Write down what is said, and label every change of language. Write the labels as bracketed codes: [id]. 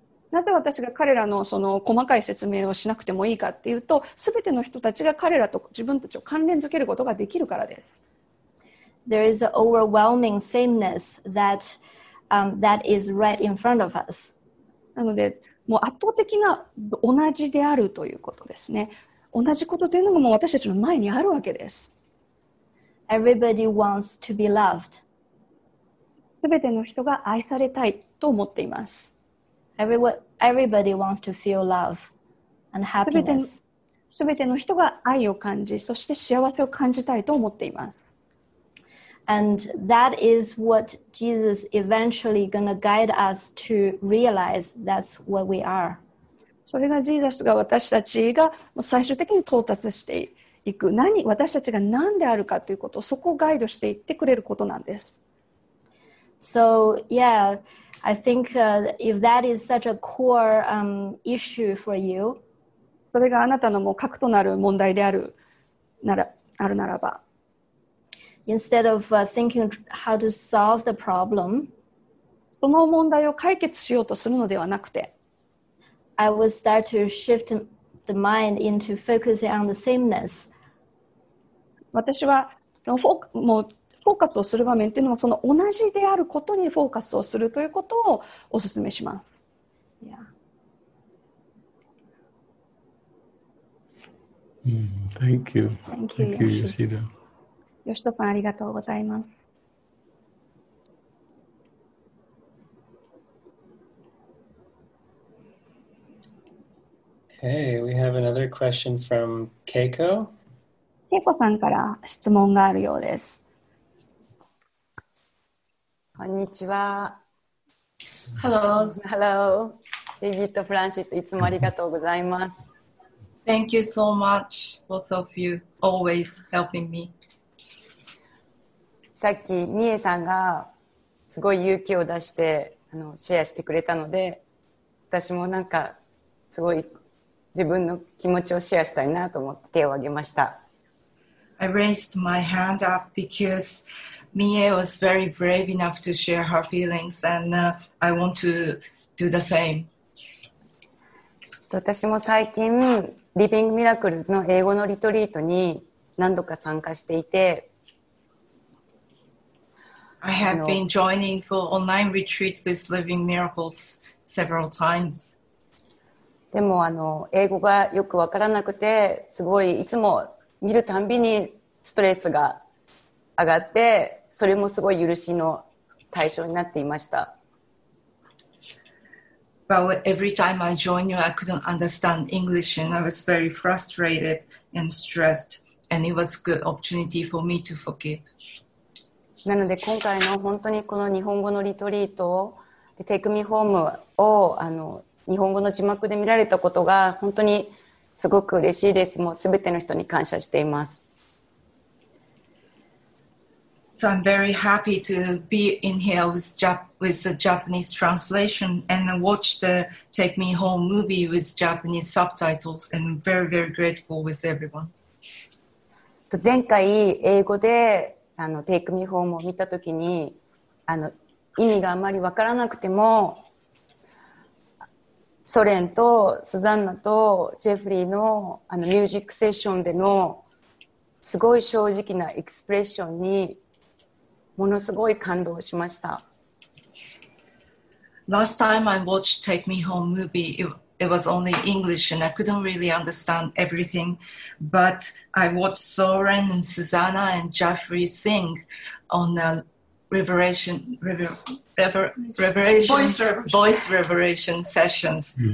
[ja] なぜ私が彼らのその細かい説明をしなくてもいいかっていうと、すべての人たちが彼らと自分たちを関連づけることができるからです。 [en] There is an overwhelming sameness that, that is right in front of us. [ja] なので、もう圧倒的な同じであるということですね。同じことというのがもう私たちの前にあるわけです。 [en] Everybody wants to be loved. [ja] すべての人が愛されたいと思っています。 [en] Everybody wants to feel love and happiness. [ja] 全ての人が愛を感じ、そして幸せを感じたいと思っています。 [en] And that is what Jesus eventually gonna guide us to realize that's what we are. [ja] それがジーザスが私たちが最終的に到達していく、何、私たちが何であるかということをそこをガイドしていってくれることなんです。 [en] So, yeah. I think if that is such a core issue for you, [ja] それがあなたのもう核となる問題であるならあるならば、 [en] instead of thinking how to solve the problem, [ja] その問題を解決しようとするのではなくて、 [en] I would start to shift the mind into focusing on the sameness. [ja] 私はフォークもフォーカスをする場面っていうのはその同じであることにフォーカスをするということをお勧めします。 [en] Yeah. Thank you. Thank you, Yoshida. [ja] Yoshida さん、ありがとうございます。 [en] Okay, we have another question from Keiko. [ja] Keiko さんから質問があるようです。こんにちは。 [en] Hello. Hello. Vivid Francis, [ja] いつもありがとうございます。 [en] Thank you so much, both of you, always helping me. [ja] さっき、ミエさんがすごい勇気を出してシェアしてくれたので、私もなんかすごい自分の気持ちをシェアしたいなと思って手を挙げました。 [en] I raised my hand up because... Mie was very brave enough to share her feelings, and I want to do the same. [ja] 私も最近、Living Miracles の英語のリトリートに何度か参加していて、 [en] I have been joining for online retreat with Living Miracles several times. [ja] でも英語がよくわからなくて、すごいいつも見るたんびにストレスが上がって、それもすごい許しの対象になっていました。 [en] Well, every time I joined you, I couldn't understand English and I was very frustrated and stressed. And it was a good opportunity for me to forgive. [ja] なので今回の本当にこの日本語のリトリートを、Take Me Home を日本語の字幕で見られたことが本当にすごく嬉しいです。もう全ての人に感謝しています。 [en] So I'm very happy to be in here with the Japanese translation and watch the Take Me Home movie with Japanese subtitles and very, very grateful with everyone. [ja] 前回英語で Take Me Home を見たときに意味があまり分からなくてもソ連とスザンナとジェフリーのミュージックセッションでのすごい正直なエクスプレッションにものすごい感動しました。 [en] Last time I watched Take Me Home movie, it was only English and I couldn't really understand everything. But I watched Soren and Susanna and Jeffrey sing on the voice revelation sessions.